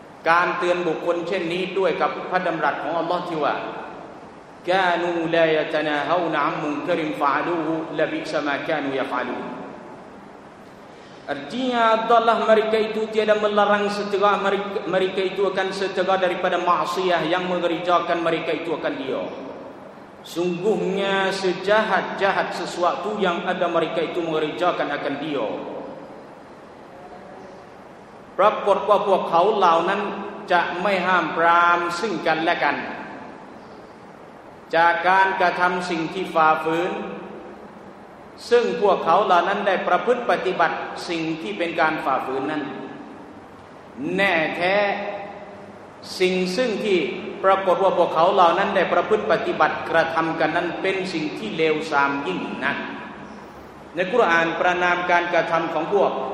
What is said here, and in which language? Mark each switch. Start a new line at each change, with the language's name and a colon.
Thai: การเตือนบุคคลเช่นนี้ด้วยกับพระดำรัสของอัลลอฮ์ที่ว่าแกนูแลยะตะนาฮาวนะอัมมุนกะริมฟะอะลูฮูละบิซะมากานูยะฟะอะลู
Malay: Artinya adalah mereka itu tiada melarang setegah mereka itu akan setegah daripada maksiat yang mengerjakan mereka itu akan dia. Sungguhnya sejahat-jahat sesuatu yang ada mereka itu mengerjakan akan dia.
Thai: Rapport ว่าพวกเขาเหล่านั้นจะไม่ห้ามปรามซึ่งกันและกันจากการกระทำสิ่งที่ฝ่าฝืนซึ่งพวกเขาเหล่านั้นได้ประพฤติปฏิบัติสิ่งที่เป็นการฝ่าฝืนนั้นแน่แท้สิ่งซึ่งที่ปรากฏว่าพวกเขาเหล่านั้นได้ประพฤติปฏิบัติกระทำกันนั้นเป็นสิ่งที่เลวทรามยิ่งนักในกุรอานประณามการกระทำของพวก